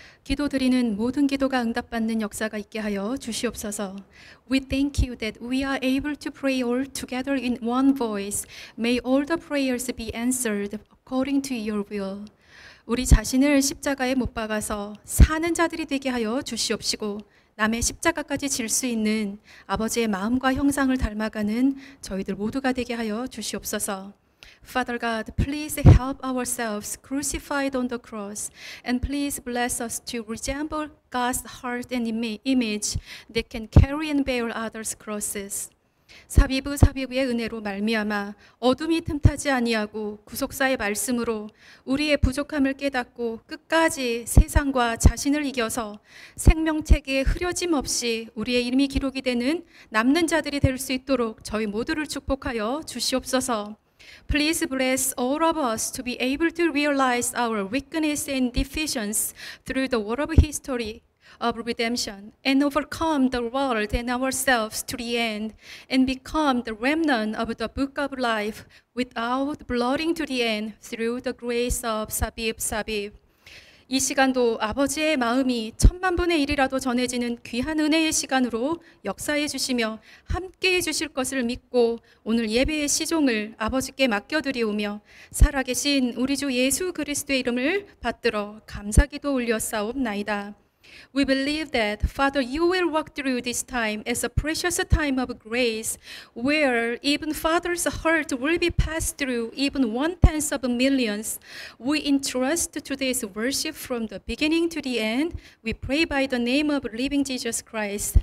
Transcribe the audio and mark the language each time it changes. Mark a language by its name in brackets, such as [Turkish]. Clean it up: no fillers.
[Korean] 기도드리는 모든 기도가 응답받는 역사가 있게 하여 주시옵소서. [English] We thank you that we are able to pray all together in one voice. May all the prayers be answered according to your will. [Korean] 우리 자신을 십자가에 못 박아서 사는 자들이 되게 하여 주시옵시고 남의 십자가까지 질 수 있는 아버지의 마음과 형상을 닮아가는 저희들 모두가 되게 하여 주시옵소서. [English] Father God, please help ourselves crucified on the cross and please bless us to resemble God's heart and image that can carry and bear others' crosses. [Korean] 삽입의 삽입의 은혜로 말미암아 어둠이 틈타지 아니하고 구속사의 말씀으로 우리의 부족함을 깨닫고 끝까지 세상과 자신을 이겨서 생명체계에 흐려짐 없이 우리의 이름이 기록이 되는 남는 자들이 될 수 있도록 저희 모두를 축복하여 주시옵소서. [English] Please bless all of us to be able to realize our weakness and deficiency through the word of history. of redemption and overcome the world and ourselves to the end and become the remnant of the book of life without blooding to the end through the grace of Sabib Sabib. [Korean] 이 시간도 아버지의 마음이 천만분의 일이라도 전해지는 귀한 은혜의 시간으로 역사해 주시며 함께해 주실 것을 믿고 오늘 예배의 시종을 아버지께 맡겨드리오며 살아계신 우리 주 예수 그리스도의 이름을 받들어 감사기도 올려싸옵나이다. [English] We believe that, Father, you will walk through this time as a precious time of grace where even Father's heart will be passed through even one-tenth of millions. We entrust today's worship from the beginning to the end. We pray by the name of living Jesus Christ.